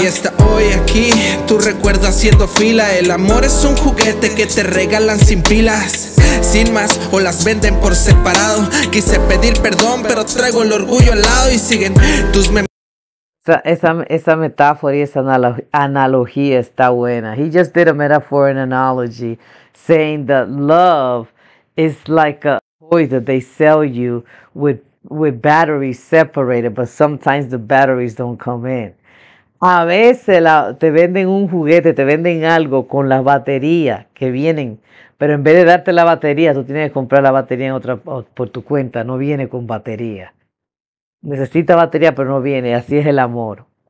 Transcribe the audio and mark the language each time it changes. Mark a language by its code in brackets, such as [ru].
[es] Y está hoy aquí, tu recuerdo haciendo fila. El amor es un juguete que te regalan sin pilas, sin más, o las venden por separado. Quise pedir perdón, pero traigo el orgullo al lado y siguen tus memorias. Esa metáfora y esa analogía está buena. [en] He just did a metaphor and analogy, saying that love is like a that they sell you with batteries separated, but sometimes the batteries don't come in. [es] A veces te venden un juguete, te venden algo con las baterías que vienen, pero en vez de darte la batería, tú tienes que comprar la batería en otra por tu cuenta, no viene con batería. Necesita batería, pero no viene, así es el amor.